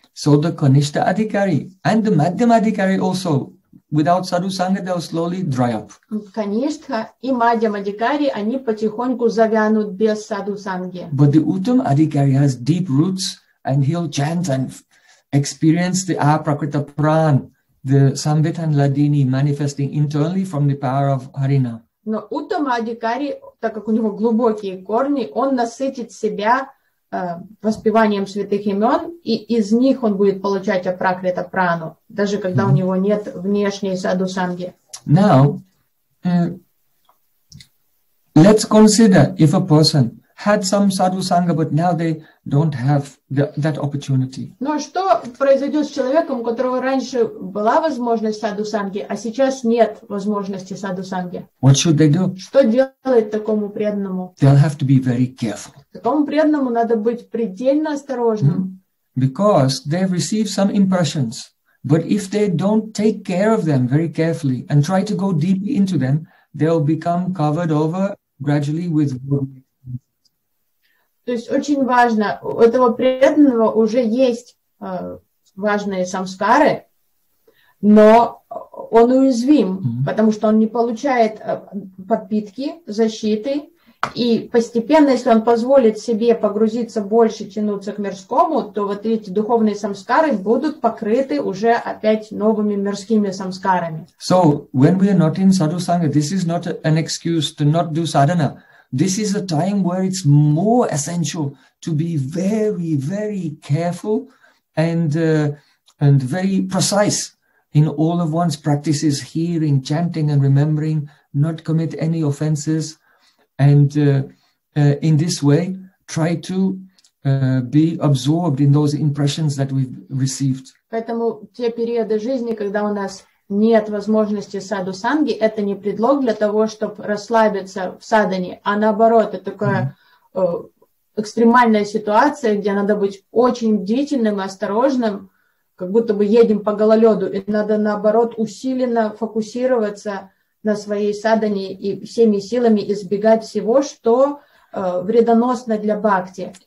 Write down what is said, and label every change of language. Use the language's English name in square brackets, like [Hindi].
[English] So the Kanishta Adhikari and the Madhyam Adhikari also, without Sadhu Sangha, they'll slowly dry up. [Russian] Kanishta и Madhyam Adhikari, они потихоньку завянут без Sadhu Sanghi. [English] But the Uttam Adhikari has deep roots and he'll chant and experience the Aprakrita Pran, the Samvit and Ladini manifesting internally from the power of Harina. [Russian] Но Uttam Adhikari, так как у него глубокие корни, он насытит себя воспеванием святых имен, и из них он будет получать апракрита прану, даже когда у него нет внешней саду санги. [English] Now, let's consider if a person had some sadhu sangha, but now they don't have that opportunity. [Russian] Но что произойдет с человеком, у которого раньше была возможность саду санги, а сейчас нет возможности саду санги? [English] What should they do? [Russian] Что делать такому преданному? [English] They'll have to be very careful. [Russian] Такому преданному надо быть предельно осторожным. [English] Because they've received some impressions, but if they don't take care of them very carefully and try to go deeply into them, they'll become covered over gradually with. [Russian] То есть очень важно, у этого преданного уже есть важные самскары, но он уязвим, потому что он не получает подпитки, защиты, и постепенно, если он позволит себе погрузиться больше, тянуться к мирскому, то вот эти духовные самскары будут покрыты уже опять новыми мирскими самскарами. [English] So, when we are not in sadhu sangha, this is not an excuse to not do sadhana. This is a time where it's more essential to be very, very careful and very precise in all of one's practices, hearing, chanting and remembering, not commit any offenses. And in this way, try to be absorbed in those impressions that we've received. [Russian] Поэтому те периоды жизни, когда у нас нет возможности саду санги, это не предлог для того, чтобы расслабиться в садане, а наоборот, это такое экстремальная ситуация, где надо быть очень бдительным и осторожным, как будто бы едем по гололеду, и надо, наоборот, усиленно фокусироваться на своей садане и всеми силами избегать всего, что вредоносно для бхакти.